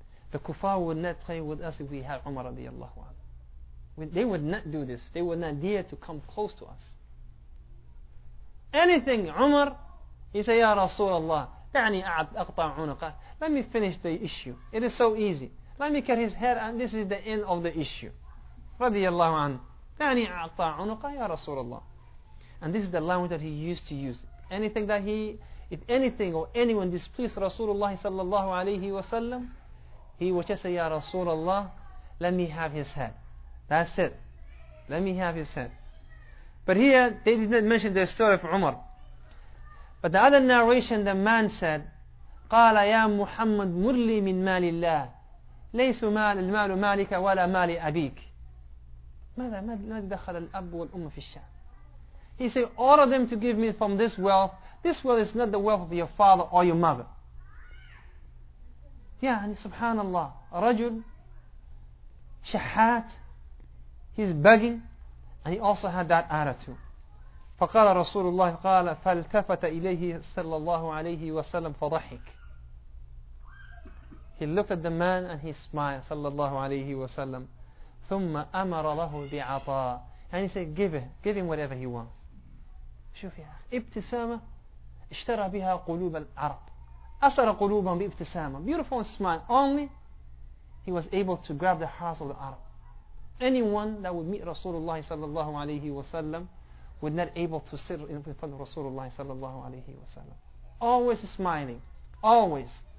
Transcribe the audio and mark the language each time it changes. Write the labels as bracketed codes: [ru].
[en] The kuffar would not play with us if we had Umar, radiyallahu anhu. They would not do this. They would not dare to come close to us. Anything, Umar, he say, [ar] Ya Rasulullah, da'ni aqta' unuqah. [en] Let me finish the issue. It is so easy. Let me cut his hair, and this is the end of the issue. Radiyallahu anhu. [ar] يعني أعطى عنقه يا رسول الله. [en] And this is the language that he used to use. Anything that he, if anything or anyone displeased Rasulullah sallallahu alayhi wa sallam, he would just say, Ya Rasulullah, let me have his head. That's it. Let me have his head. But here, they did not mention the story of Umar. But the other narration, the man said, [ar] قال يا محمد مرلي من مال الله ليس المال مالك ولا مال أبيك. ماذا دخل الأب والأم في الشأن؟ [en] He said, order them to give me from this wealth. This wealth is not the wealth of your father or your mother. Yeah, and subhanAllah, rajul, shahat, he's begging, and he also had that attitude. [ar] فَقَالَ رَسُولُ اللَّهِ قَالَ فَالْتَفَتَ إِلَيْهِ صَلَّى اللَّهُ عَلَيْهِ وَسَلَّمْ فَضَحِكْ. [en] He looked at the man and he smiled, صلى الله عليه وسلم. [ar] ثُمَّ أَمَرَ لَهُ بِعَطَاءٍ. [en] And he said, give him whatever he wants. [ar] شوف يا أخي, ابتسامة اشترى بها قلوب العرب. أثر قلوبهم بابتسامة. [en] Beautiful smile. Only he was able to grab the hearts of the Arab. Anyone that would meet Rasulullah صلى الله عليه وسلم would not able to sit in front of Rasulullah sallallahu alayhi wa sallam. Always smiling. Always.